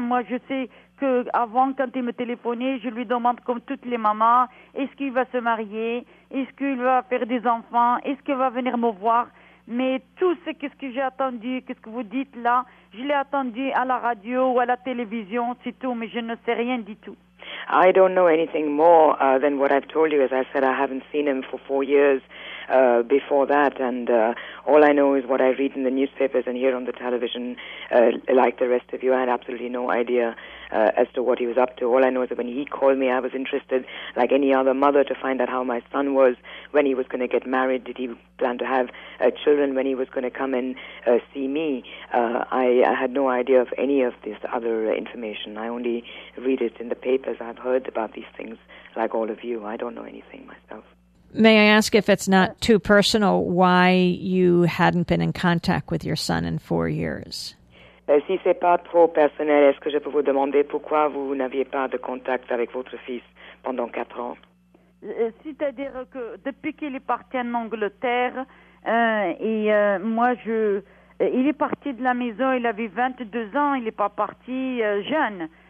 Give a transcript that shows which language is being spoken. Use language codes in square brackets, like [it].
[fr] Moi, je sais que avant, quand il me téléphonait, je lui demande comme toutes les mamans, est-ce qu'il va se marier? Est-ce qu'il va faire des enfants? Est-ce qu'il va venir me voir? Mais tout ce qu'est-ce que j'ai attendu, qu'est-ce que vous dites là, je l'ai attendu à la radio ou à la télévision, c'est tout, mais je ne sais rien du tout. [en] I don't know anything more than what I've told you. As I said, I haven't seen him for 4 years before that, and all I know is what I read in the newspapers and hear on the television, like the rest of you. I had absolutely no idea as to what he was up to. All I know is that when he called me, I was interested, like any other mother, to find out how my son was, when he was going to get married, did he plan to have children, when he was going to come and see me. I had no idea of any of this other information. I only read it in the papers. I've heard about these things, like all of you. I don't know anything myself. May I ask, if it's not too personal, why you hadn't been in contact with your son in 4 years? [fr] Si c'est pas trop personnel, est-ce que je peux vous demander pourquoi vous n'aviez pas de contact avec votre fils pendant 4 ans? C'est-à-dire que depuis qu'il est parti en Angleterre, il est parti de la maison, il avait 22 ans, il n'est pas parti jeune.